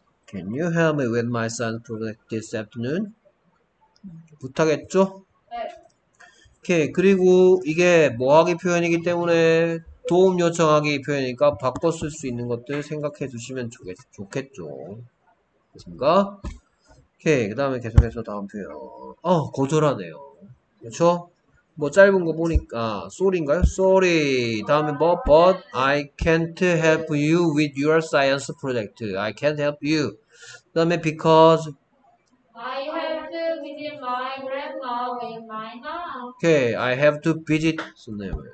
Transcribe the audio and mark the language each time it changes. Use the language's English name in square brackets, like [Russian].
[English] Can you help me with my science project this afternoon? [Korean] 부탁했죠? 오케이. 그리고 이게 뭐하기 표현이기 때문에 도움 요청하기 표현이니까 바꿔 쓸수 있는 것들 생각해 두시면 좋겠죠. 됐습니까? 오케이. 그 다음에 계속해서 다음 표현. 거절하네요. 그렇죠? 뭐 짧은 거 보니까 sorry인가요? [English] sorry [Korean] 다음에 뭐 [English] but I can't help you with your science project. I can't help you. [Korean] 그다음에 [English] because I have to visit my grandma with my mom. Okay, I have to visit [Korean] 썼네요.